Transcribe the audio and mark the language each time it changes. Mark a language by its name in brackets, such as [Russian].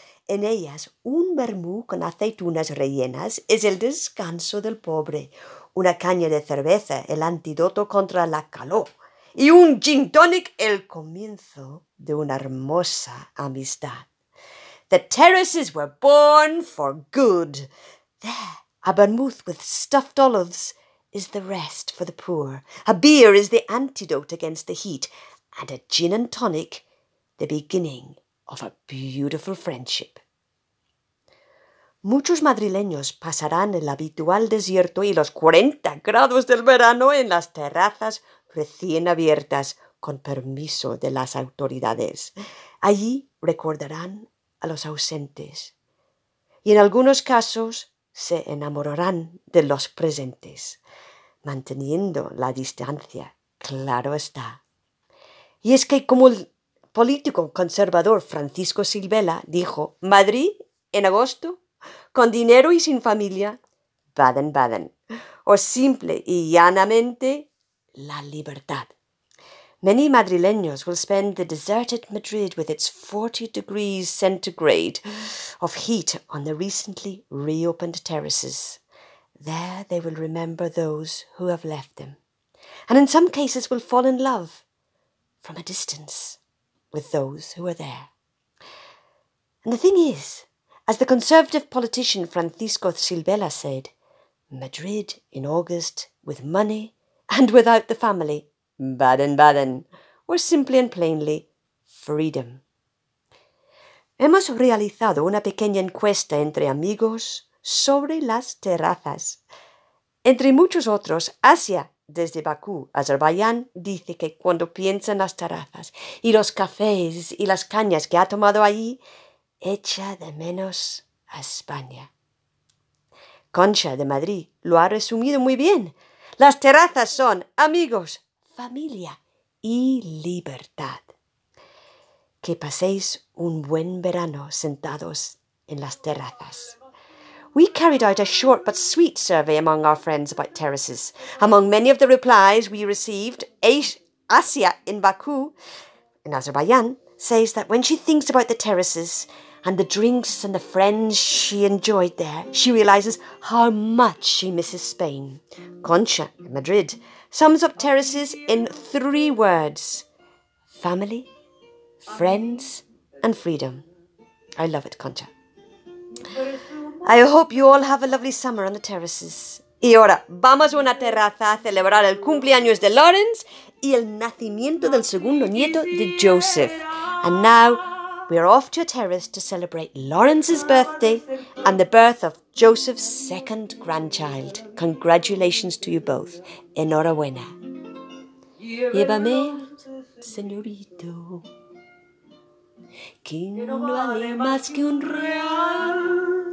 [Spanish] En ellas, un vermú con aceitunas rellenas es el descanso del pobre, una caña de cerveza el antídoto contra la calor y un gin tonic el comienzo de una hermosa amistad. [English] The terraces were born for good. There, a vermouth with stuffed olives is the rest for the poor. A beer is the antidote against the heat, and a gin and tonic the beginning of a beautiful friendship. [Spanish] Muchos madrileños pasarán el habitual desierto y los 40 grados del verano en las terrazas recién abiertas con permiso de las autoridades. Allí recordarán a los ausentes y en algunos casos se enamorarán de los presentes, manteniendo la distancia, claro está. Y es que como el político conservador Francisco Silvela dijo, Madrid, en agosto, con dinero y sin familia, Baden Baden, o simple y llanamente, la libertad. [English] Many madrileños will spend the deserted Madrid with its 40 degrees centigrade of heat on the recently reopened terraces. There they will remember those who have left them, and in some cases will fall in love from a distance with those who are there. And the thing is, as the conservative politician Francisco Silvela said, Madrid in August, with money and without the family, Baden-Baden, or simply and plainly, freedom. [Spanish] Hemos realizado una pequeña encuesta entre amigos sobre las terrazas. Entre muchos otros, Asia, desde Bakú, Azerbaiyán, dice que cuando piensa en las terrazas y los cafés y las cañas que ha tomado allí, echa de menos a España. Concha, de Madrid, lo ha resumido muy bien. Las terrazas son amigos, familia y libertad. Que paséis un buen verano sentados en las terrazas. [English] We carried out a short but sweet survey among our friends about terraces. Among many of the replies we received, Asia in Baku, in Azerbaijan, says that when she thinks about the terraces and the drinks and the friends she enjoyed there, she realizes how much she misses Spain. Concha, in Madrid, sums up terraces in three words: family, friends, and freedom. I love it, Concha. I hope you all have a lovely summer on the terraces. [Spanish] Y ahora, vamos a una terraza a celebrar el cumpleaños de Lawrence y el nacimiento del segundo nieto de Joseph. [English] And now, we're off to a terrace to celebrate Lawrence's birthday and the birth of Joseph's second grandchild. Congratulations to you both. [Spanish] Enhorabuena. Llévame, señorito, que no vale más que un real.